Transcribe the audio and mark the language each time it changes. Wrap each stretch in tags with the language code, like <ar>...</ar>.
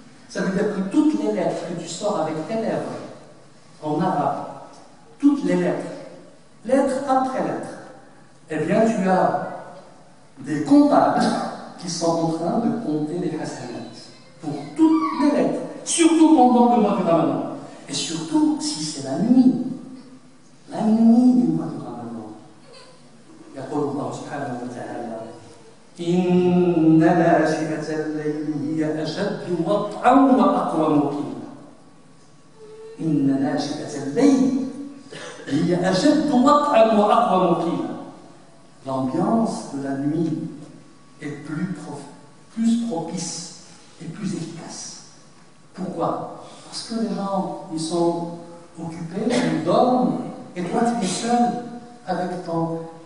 <fr>Ça veut dire que toutes les lettres que tu sors avec tes lèvres en arabe, toutes les lettres, lettre après lettre, eh bien tu as des comptables qui sont en train de compter les hasanat pour toutes les lettres, surtout pendant le mois du Ramadan. Et surtout si c'est la nuit du mois du Ramadan.</fr> <ar>Yaqul Allah subhanahu wa ta'ala. إن ناشئة الليل هي أشد وطئا وأقوى مقيما. إن ناشئة الليل هي أشد وطئا وأقوى مقيما.</ar> <fr>L'ambiance de la nuit est plus propice et plus efficace. Pourquoi? Parce que les gens ils sont occupés, ils dorment et toi tu es seul avec ton</fr>